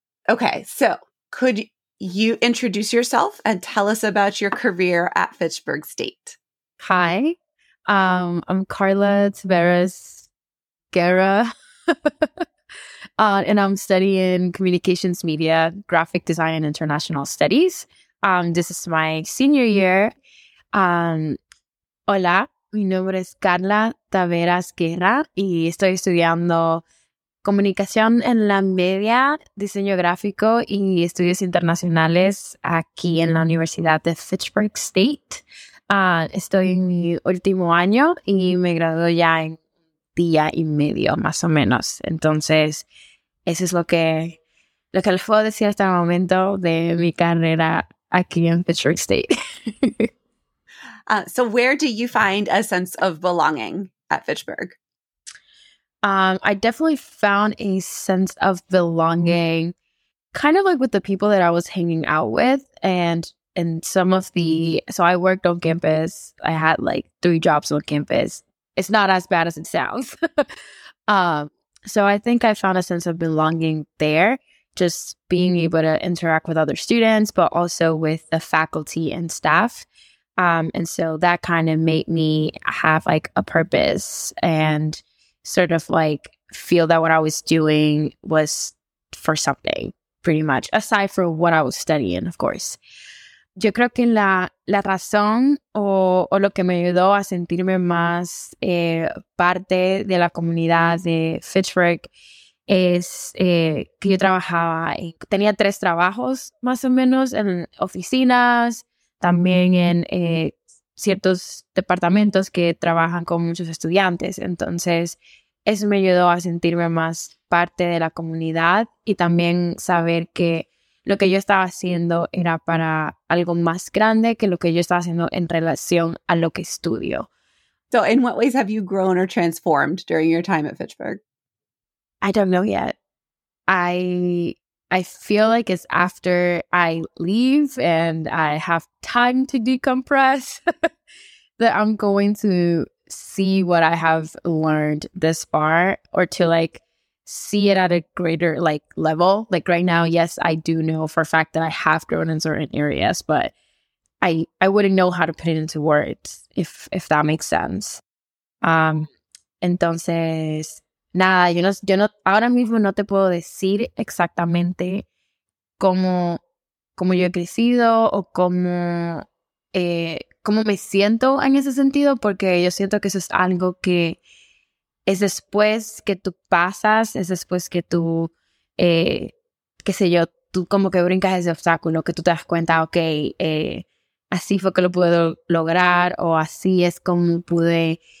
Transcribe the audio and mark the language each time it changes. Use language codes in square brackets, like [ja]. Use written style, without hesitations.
[en] Okay, so could you introduce yourself and tell us about your career at Fitchburg State? Hi, I'm Carla Tavares Guerra, and I'm studying communications media, graphic design, and international studies. This is my senior year. [es] Hola. Mi nombre es Carla Tavares Guerra y estoy estudiando comunicación en la media, diseño gráfico y estudios internacionales aquí en la Universidad de Fitchburg State. Estoy en mi último año y me gradué ya en día y medio, más o menos. Entonces, eso es lo que les puedo decir hasta el momento de mi carrera aquí en Fitchburg State. [en] So where do you find a sense of belonging at Fitchburg? I definitely found a sense of belonging kind of like with the people that I was hanging out with. And some of the, so I worked on campus. I had like 3 jobs on campus. It's not as bad as it sounds. So I think I found a sense of belonging there, just being able to interact with other students, but also with the faculty and staff. And so that kind of made me have like a purpose and sort of like feel that what I was doing was for something, pretty much, aside from what I was studying, of course. [es] Yo creo que la razón o lo que me ayudó a sentirme más parte de la comunidad de Fitchburg es que yo trabajaba y tenía 3 trabajos más o menos en oficinas. También en ciertos departamentos que trabajan con muchos estudiantes. Entonces, eso me ayudó a sentirme más parte de la comunidad y también saber que lo que yo estaba haciendo era para algo más grande que lo que yo estaba haciendo en relación a lo que estudio. [en] So, in what ways have you grown or transformed during your time at Fitchburg? I don't know yet. I feel like it's after I leave and I have time to decompress that I'm going to see what I have learned this far or to like see it at a greater like level. Like right now, yes, I do know for a fact that I have grown in certain areas, but I wouldn't know how to put it into words if that makes sense. [es] Entonces... Nada, yo no, ahora mismo no te puedo decir exactamente cómo yo he crecido o cómo me siento en ese sentido, porque yo siento que eso es algo que es después que tú pasas, es después que tú, qué sé yo, tú como que brincas ese obstáculo, que tú te das cuenta, ok, así fue que lo pude lograr o así es como pude...